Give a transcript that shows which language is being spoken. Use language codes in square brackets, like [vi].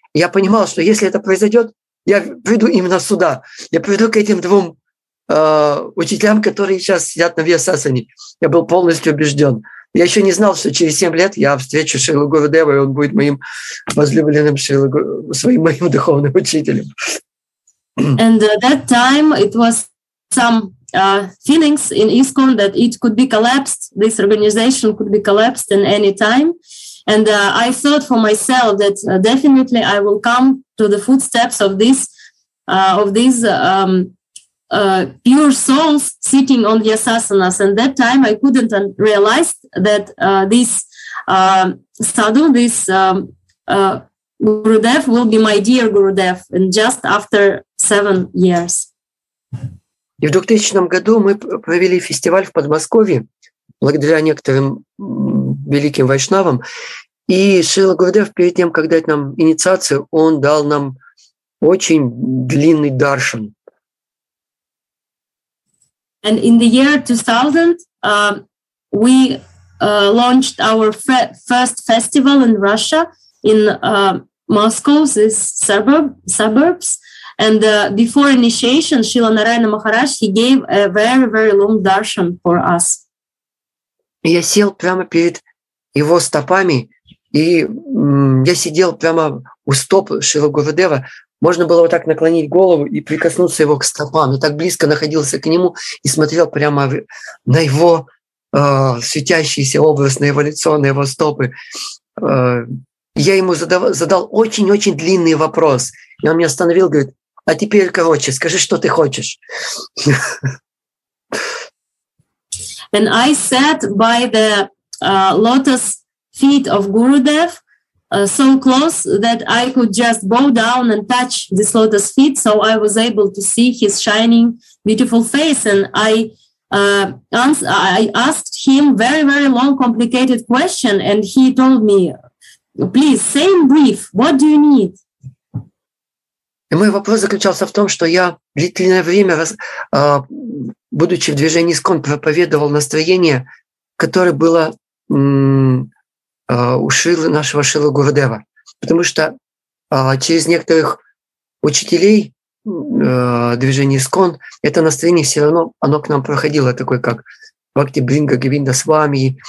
[ru] Я понимал, что если это произойдет, я приду именно сюда. Я приду к этим двум учителям, которые сейчас сидят на Виасасане. Я был полностью убежден. Я еще не знал, что через 7 лет я встречу Шрилу Гурудева, и он будет моим возлюбленным моим духовным учителем. [en] And at that time it was some feelings in ISKCON that it could be collapsed, this organization could be collapsed in any time. And I thought for myself that definitely I will come to the footsteps of these pure souls sitting on the asasanas. And that time I couldn't realize that this Gurudev will be my dear Gurudev and just after 7 years. [ru] И в 2000 году мы провели фестиваль в Подмосковье благодаря некоторым великим вайшнавам. И Шрила Гурудев, перед тем, как дать нам инициацию, он дал нам очень длинный даршан. [en] And in the year 2000, we launched our first festival in Russia, in Moscow, this suburbs. And before initiation, Шрила Нараяна Махарадж, he gave a very, very long darshan for us. [ru] Я сел прямо перед его стопами, и я сидел прямо у стоп Шрилы Гурудева. Можно было вот так наклонить голову и прикоснуться его к стопам. Я так близко находился к нему и смотрел прямо на его светящийся образ, на его лицо, на его стопы. Я ему задал очень-очень длинный вопрос. И он меня остановил, говорит: а теперь, короче, скажи, что ты хочешь. [en] And I sat by the lotus feet of Gurudev so close that I could just bow down and touch this lotus feet, so I was able to see his shining beautiful face. And I asked him very, very long, complicated question, and he told me, please, say in brief, what do you need? [ru] И мой вопрос заключался в том, что я длительное время, будучи в движении ИСККОН, проповедовал настроение, которое было у Шрилы, нашего Шрилы Гурудева. Потому что через некоторых учителей движения ИСККОН это настроение все равно оно к нам проходило, такое как Бхакти Бринга Гвинда Свами.